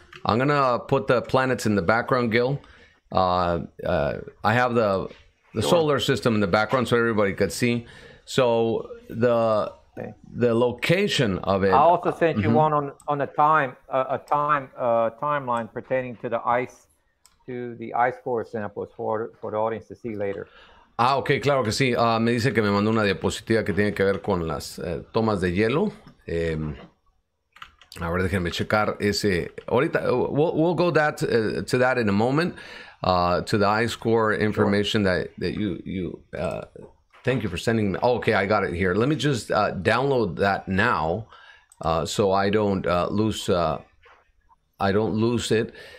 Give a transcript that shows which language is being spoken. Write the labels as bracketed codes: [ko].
[en] I'm going to put the planets in the background, Gil. I have the solar system in the background so everybody could see. So the location of it. I also sent you one on a timeline pertaining to the ice core samples for the audience to see later. [es] Ah, okay, claro que sí. Me dice que me mandó una diapositiva que tiene que ver con las tomas de hielo. A ver, déjenme checar ese. [en] Ahorita, we'll go to that in a moment. To the ice core information thank you for sending me. Okay, I got it here. Let me just download that now so I don't lose it.